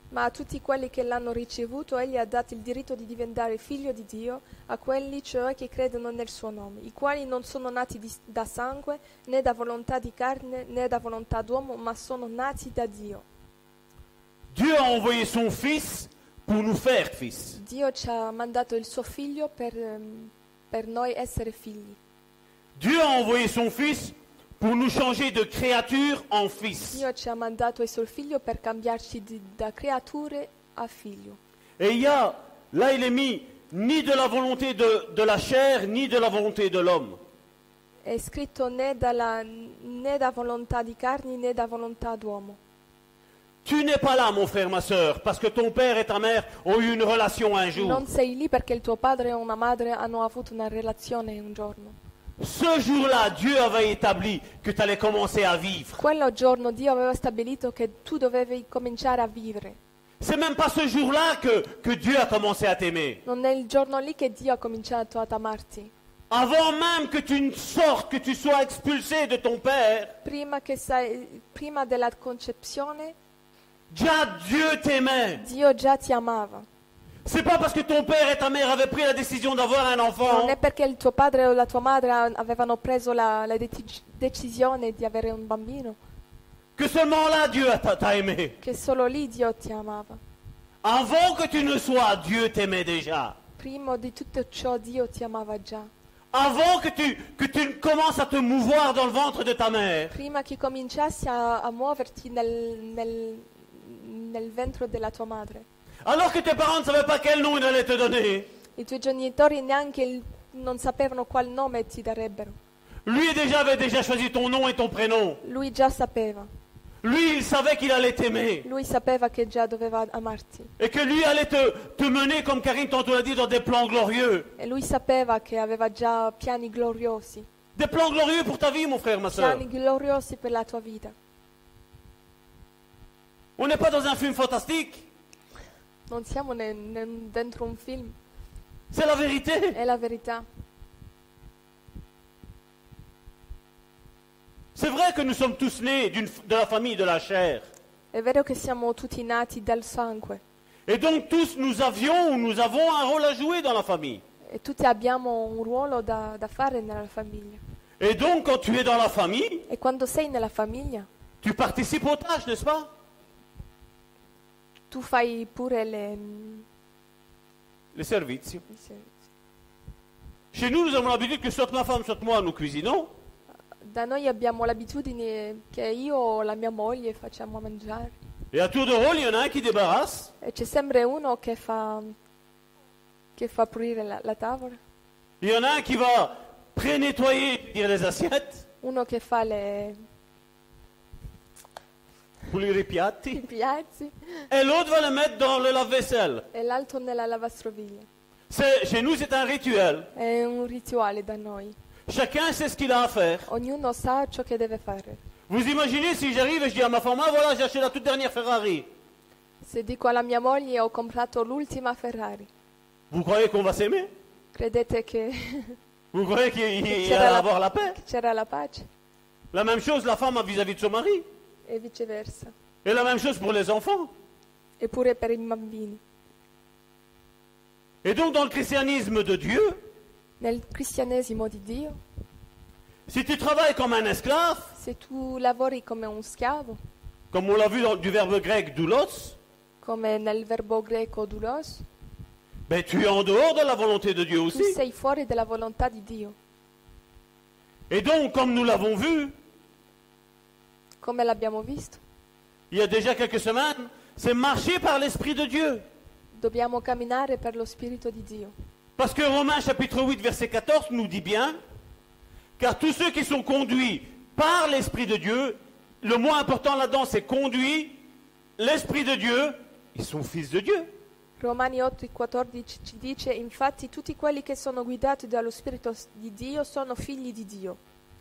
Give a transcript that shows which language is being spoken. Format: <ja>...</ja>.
<it>Ma a tutti quelli che l'hanno ricevuto, egli ha dato il diritto di diventare figlio di Dio, a quelli cioè che credono nel suo nome, i quali non sono nati da sangue, né da volontà di carne, né da volontà d'uomo, ma sono nati da Dio.</it> <fr>Dieu a envoyé son fils pour nous faire fils.</fr> <it>Dio ci ha mandato il suo figlio per noi essere figli.</it> <fr>Dieu a envoyé son fils pour nous changer de créature en fils.</fr> <it>Dio ci ha mandato il suo figlio per cambiarci da creature a figlio.</it> <fr>Et il est mis ni de la volonté de la chair ni de la volonté de l'homme.</fr> <it>È scritto né da volontà di carne né da volontà d'uomo.</it> <fr>Tu n'es pas là, mon frère, ma sœur, parce que ton père et ta mère ont eu une relation un jour.</fr> <it>Non sei lì perché il tuo padre o una madre hanno avuto una relazione un giorno.</it> <fr>Ce jour-là, Dieu avait établi que tu allais commencer à vivre.</fr> <it>Quello giorno Dio aveva stabilito che tu dovevi cominciare a vivere.</it> <fr>C'est même pas ce jour-là que Dieu a commencé à t'aimer.</fr> <it>Non è il giorno lì che Dio ha cominciato ad amarti.</it> <fr>Avant même que tu ne sortes, que tu sois expulsé de ton père.</fr> <it>Prima della concezione.</it> <fr>Già Dieu t'aimait.</fr> <it>Dio già ti amava.</it> <fr>C'est pas parce que ton père et ta mère avaient pris la décision d'avoir un enfant.</fr> <it>Non è perché il tuo padre o la tua madre avevano preso la decisione di avere un bambino.</it> <fr>Que seulement là Dieu t'a aimé.</fr> <it>Che solo lì Dio ti amava.</it> <fr>Avant que tu ne sois, Dieu t'aimait déjà.</fr> <it>Prima di tutto ciò Dio ti amava già.</it> <fr>Avant que tu commences à te mouvoir dans le ventre de ta mère.</fr> <it>Prima che cominciassi a muoverti nel ventre della tua madre.</it> <fr>Alors que tes parents ne savaient pas quel nom ils allaient te donner.</fr> <it>I tuoi genitori neanche non sapevano quale nome ti darebbero.</it> <fr>Lui avait déjà choisi ton nom et ton prénom.</fr> <it>Lui già sapeva.</it> <fr>Lui il savait qu'il allait t'aimer.</fr> <it>Lui sapeva che già doveva amarti.</it> <fr>Et que lui allait te mener comme Karine tantôt l'a dit dans des plans glorieux.</fr> <it>E lui sapeva che aveva già piani gloriosi.</it> <fr>Des plans glorieux pour ta vie, mon frère, ma sœur.</fr> <it>Piani gloriosi per la tua vita.</it> <fr>On n'est pas dans un film fantastique.</fr> <it>Non siamo dentro un film.</it> <fr>C'est la vérité.</fr> <it>È la verità.</it> <fr>C'est vrai que nous sommes tous nés de la famille de la chair.</fr> <it>È vero che siamo tutti nati dal sangue.</it> <fr>Et donc tous nous avions ou nous avons un rôle à jouer dans la famille.</fr> <it>E tutti abbiamo un ruolo da fare nella famiglia.</it> <fr>Et donc quand tu es dans la famille.</fr> <it>E quando sei nella famiglia.</it> <fr>Tu participes aux tâches, n'est-ce pas?</fr> <it>Tu fai pure le servizio.</it> <fr>Chez nous avons l'habitude que soit ma femme soit moi nous cuisinons.</fr> <it>da noi abbiamo l'abitudine che io o la mia moglie facciamo mangiare.</it> <fr>Et à tour de rôle, il y en a un qui débarrasse.</fr> <it>E c'è sempre uno che fa pulire la tavola.</it> <fr>Il y en a un qui va pré-nettoyer, dire les assiettes.</fr> <it>Uno che fa le pulire i piatti. I piatti.</it> <fr>Et l'autre va le mettre dans le lave-vaisselle.</fr> <it>E l'altro nella lavastoviglie.</it> <fr>Chez nous, c'est un rituel.</fr> <it>È un rituale da noi.</it> <fr>Chacun sait ce qu'il a à faire.</fr> <it>Ognuno sa ciò che deve fare.</it> <fr>Vous imaginez si j'arrive et je dis à ma femme, ah voilà, j'ai acheté la toute dernière Ferrari.</fr> <it>Se dico alla mia moglie, ho comprato l'ultima Ferrari.</it> <fr>Vous croyez qu'on va s'aimer?</fr> <it>Credete che...</it> <fr>Vous croyez qu'il va avoir la paix?</fr> <it>C'era la pace.</it> <fr>La même chose la femme vis-à-vis de son mari. Et vice versa. Et la même chose pour les enfants.</fr> <it>Et pure per i bambini.</it> <fr>Et donc dans le christianisme de Dieu.</fr> <it>Nel cristianesimo di Dio.</it> <fr>Si tu travailles comme un esclave.</fr> <it>Se tu lavori come un schiavo.</it> <fr>Comme on l'a vu dans, du verbe grec doulos.</fr> <it>Come nel verbo greco doulos.</it> <fr>Ben tu es en dehors de la volonté de Dieu aussi.</fr> <it>Tu sei fuori della volontà di Dio.</it> <fr>Et donc comme nous l'avons vu.</fr> <it>Come l'abbiamo visto.</it> <fr>Il y a déjà quelques semaines, c'est marcher par l'esprit de Dieu.</fr> <it>Dobbiamo camminare per lo spirito di Dio.</it> <fr>Parce que Romains chapitre 8 verset 14 nous dit bien. Car tous ceux qui sont conduits par l'Esprit de Dieu, le moins important là-dedans, c'est conduit, l'Esprit de Dieu, ils sont fils de Dieu.</fr> <it>Romani 8, 14 ci dice, infatti, tutti quelli che sono guidati dallo Spirito di Dio sono figli di Dio.</it>